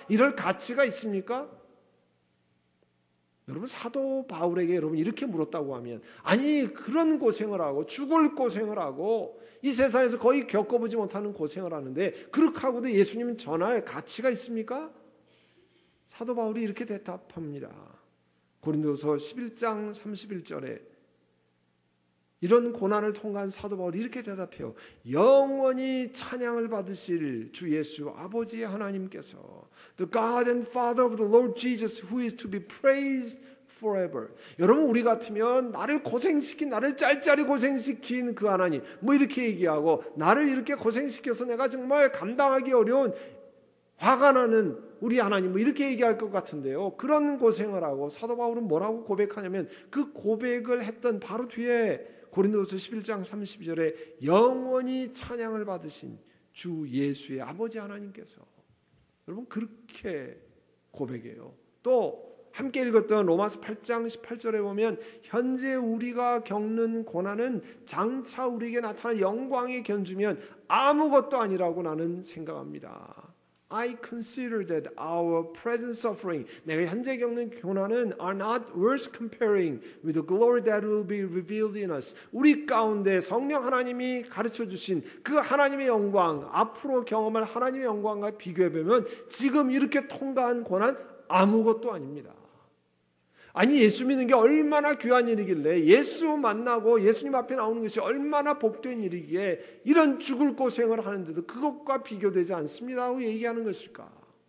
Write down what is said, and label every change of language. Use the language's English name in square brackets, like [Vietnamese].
[Korean] 이럴 가치가 있습니까? 여러분 사도 바울에게 여러분 이렇게 물었다고 하면 아니 그런 고생을 하고 죽을 고생을 하고 이 세상에서 거의 겪어보지 못하는 고생을 하는데 그렇게 하고도 예수님은 전할 가치가 있습니까? 사도 바울이 이렇게 대답합니다. 고린도서 11장 31절에 이런 고난을 통과한 사도 바울이 이렇게 대답해요. 영원히 찬양을 받으실 주 예수 아버지 하나님께서 [English] The God and Father of the Lord Jesus who is to be praised forever. [Korean] 여러분 우리 같으면 나를 고생시킨 나를 짤짤이 고생시킨 그 하나님 뭐 이렇게 얘기하고 나를 이렇게 고생시켜서 내가 정말 감당하기 어려운 화가 나는 우리 하나님 뭐 이렇게 얘기할 것 같은데요. 그런 고생을 하고 사도 바울은 뭐라고 고백하냐면 그 고백을 했던 바로 뒤에 고린도서 11장 32절에 영원히 찬양을 받으신 주 예수의 아버지 하나님께서 여러분 그렇게 고백해요. 또 함께 읽었던 로마서 8장 18절에 보면 현재 우리가 겪는 고난은 장차 우리에게 나타날 영광에 견주면 아무것도 아니라고 나는 생각합니다. [English] I consider that our present suffering, [Korean] 내가 현재 겪는 고난은 [English] are not worth comparing with the glory that will be revealed in us. [Korean] 우리 가운데 성령 하나님이 가르쳐 주신 그 하나님의 영광, 앞으로 경험할 하나님의 영광과 비교해보면 지금 이렇게 통과한 고난 아무것도 아닙니다. 아니 예수 믿는 게 얼마나 귀한 일이길래 예수 만나고 예수님 앞에 나오는 것이 얼마나 복된 일이기에 이런 죽을 고생을 하는데도 그것과 비교되지 않습니다 하고 얘기하는 것일까?